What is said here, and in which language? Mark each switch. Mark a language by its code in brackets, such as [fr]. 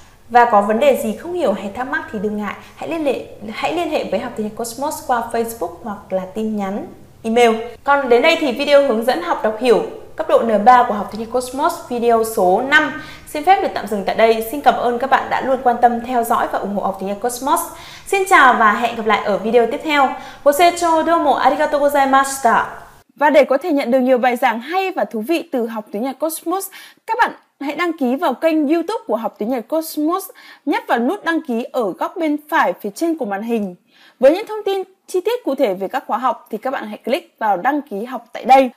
[vi] Và có vấn đề gì không hiểu hay thắc mắc thì đừng ngại, hãy liên hệ với Học Như Cosmos qua Facebook hoặc là tin nhắn, email. Còn đến đây thì video hướng dẫn học đọc hiểu cấp độ N3 của Học Như Cosmos video số 5 xin phép được tạm dừng tại đây. Xin cảm ơn các bạn đã luôn quan tâm theo dõi và ủng hộ học tiếng Nhật Cosmos. Xin chào và hẹn gặp lại ở video tiếp theo. [ja] ご清聴どうもありがとうございました。 [vi] Và để có thể nhận được nhiều bài giảng hay và thú vị từ học tiếng Nhật Cosmos, các bạn hãy đăng ký vào kênh YouTube của học tiếng Nhật Cosmos, nhấp vào nút đăng ký ở góc bên phải phía trên của màn hình. Với những thông tin chi tiết cụ thể về các khóa học thì các bạn hãy click vào đăng ký học tại đây.